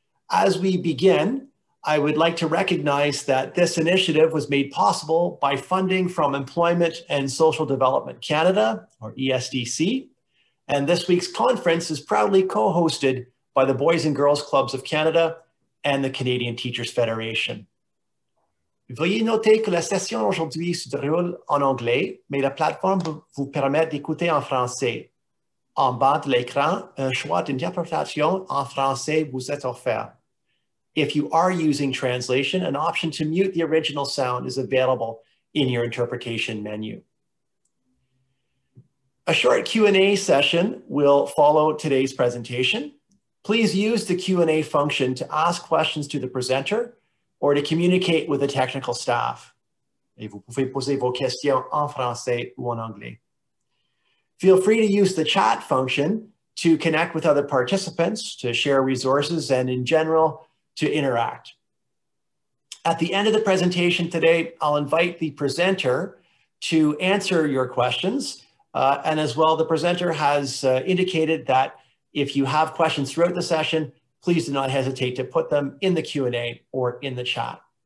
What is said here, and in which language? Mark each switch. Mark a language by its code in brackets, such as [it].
[en] As we begin, I would like to recognize that this initiative was made possible by funding from Employment and Social Development Canada, or ESDC, and this week's conference is proudly co-hosted by the Boys and Girls Clubs of Canada and the Canadian Teachers Federation. [fr] Veuillez noter que la session aujourd'hui se déroule en anglais, mais la plateforme vous permet d'écouter en français. En bas de l'écran, un choix d'interprétation en français vous est offert. [en] If you are using translation, an option to mute the original sound is available in your interpretation menu. A short Q&A session will follow today's presentation. Please use the Q&A function to ask questions to the presenter or to communicate with the technical staff. [fr] Et vous pouvez poser vos questions en français ou en anglais. [en] Feel free to use the chat function to connect with other participants, to share resources, and in general, to interact. At the end of the presentation today, I'll invite the presenter to answer your questions. And as well, the presenter has indicated that if you have questions throughout the session, please do not hesitate to put them in the Q&A or in the chat.